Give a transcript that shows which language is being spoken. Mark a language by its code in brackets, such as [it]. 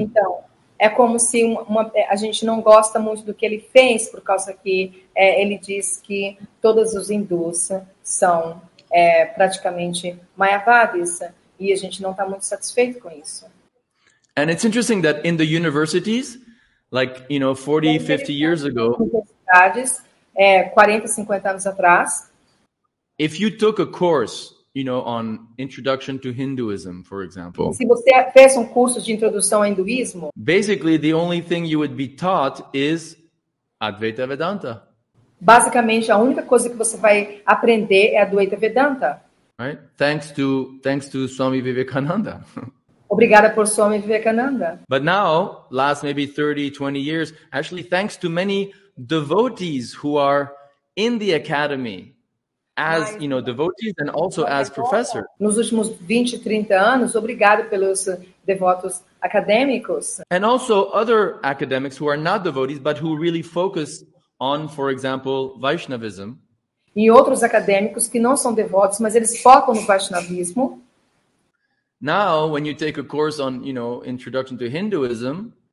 [pt] Então, é como se a gente não gosta muito do que ele fez, por causa que ele diz que todos os hindus são praticamente mayavadis e a gente não está muito satisfeito com isso. [en] And it's interesting that in the universities, like, you know, 40, 50 years ago, [pt] 40, 50 anos atrás, [en] if you took a course, you know, on introduction to Hinduism, for example, [pt] se você fez curso de introdução ao hinduísmo, [en] basically the only thing you would be taught is Advaita Vedanta. [pt] Basicamente, a única coisa que você vai aprender é a Advaita Vedanta. [en] Right? Thanks to Swami Vivekananda. [pt] Obrigada por Swami Vivekananda. [en] But now, last maybe 30, 20 years, actually thanks to many devotees who are in the academy as, you know, devotees and also as professors. [pt] Nos últimos 20, 30 anos, obrigado pelos devotos acadêmicos. [en] And also other academics who are not devotees but who really focus on, for example, Vaishnavism. [pt] E outros acadêmicos que não são devotos, mas eles focam no Vaishnavismo. [en] Now, when you take a course on, you know, introduction to Hinduism,